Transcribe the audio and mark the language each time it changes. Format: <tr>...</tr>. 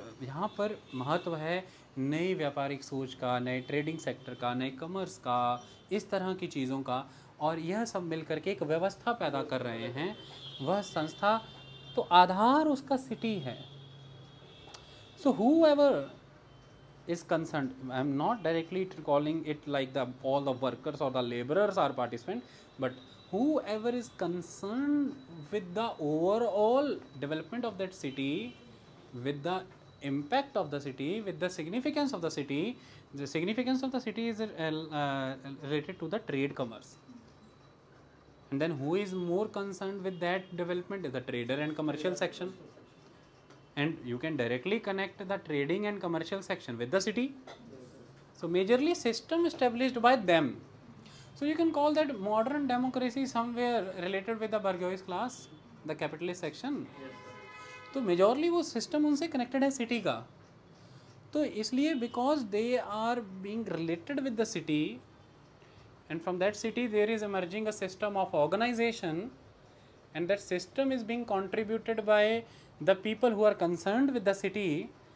<hi>यहाँ पर महत्व है नई व्यापारिक सोच का, नए ट्रेडिंग सेक्टर का, नए कमर्स का, इस तरह की चीज़ों का, और यह सब मिल करके एक व्यवस्था पैदा कर रहे हैं वह संस्था, तो आधार उसका सिटी है।</hi> <en>So whoever is concerned, I am not directly calling it like the all the workers और the labourers are participant, but whoever is concerned with the overall development of that city, with the impact of the city, with the significance of the city. The significance of the city is related to the trade commerce. And then who is more concerned with that development is the trader and commercial section. And you can directly connect the trading and commercial section with the city. So majorly system established by them. So you can call that modern democracy somewhere related with the bourgeois class, the capitalist section.</en> <hi>तो मेजॉरली वो system उनसे connected है city का. तो इसलिए</hi> <en>Because they are being related with the city and from that city there is emerging a system of organisation and that system is being contributed by the people who are concerned with the city.</en>